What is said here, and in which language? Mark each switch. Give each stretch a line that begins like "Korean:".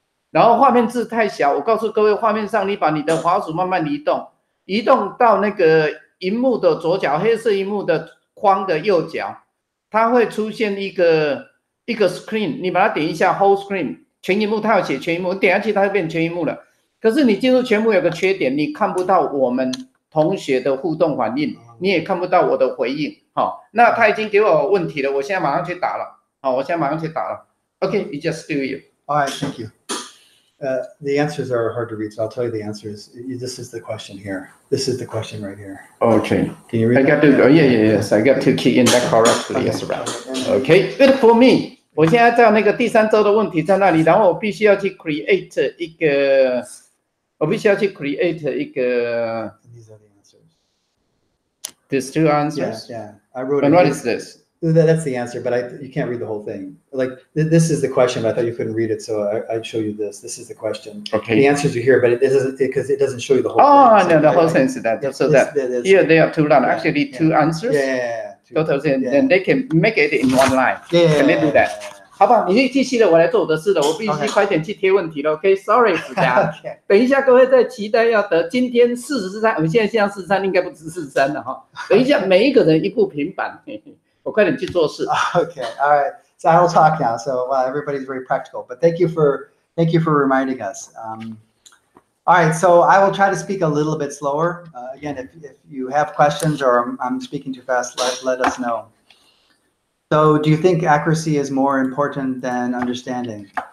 Chinese: 然后画面字太小，我告诉各位，画面上你把你的滑鼠慢慢移动，移动到那个荧幕的左脚，黑色荧幕的框的右脚，它会出现一个 screen， 你把它点一下 whole screen， 全荧幕它要写全荧幕，点下去它就变全荧幕了。可是你进入全部有个缺点，你看不到我们同学的互动反应，你也看不到我的回应。好，那他已经给我问题了，我现在马上去打了。好，我现在马上去打了。OK，
English: you just do you。 All right, thank you. The answers are hard to read, so I'll tell you the answers. This is the question here. This is the question right here. Okay. Can you read it? I got to, oh, yeah, yeah, yes. I got to key in that correctly. Okay. Yes, right. Okay, good for me.
Chinese: 我现在在那个第三周的问题在那里，然后我必须要去 create 一个, 我必须要去 create 一个,
English: and these are the answers. These two answers? Yeah, yeah. I wrote and what is this? That's the answer, but you can't read the whole thing. Like, this is the question, but I thought you couldn't read it, so I'd show you this. This is the question. Okay. The answers are here, but it doesn't show you the whole thing. Oh, no, the whole thing is that. So that, here they are two lines, actually two answers. Yeah. And they can make it in one line. Yeah. Can they do that?
Chinese: 好吧，你继续了，我来做我的事了。我必须快点去贴问题了。OK，
English: okay, sorry，
Chinese: 子佳。等一下，各位在期待要得今天43，我们现在现在43应该不止43了哈。等一下，每一个人一部平板。 我快点去做事。
English: Okay, all right. So I'll talk now. So well, everybody's very practical, but thank you for reminding us. All right. So I will try to speak a little bit slower. Again, if you have questions or I'm speaking too fast, let us know. So do you think accuracy is more important than understanding?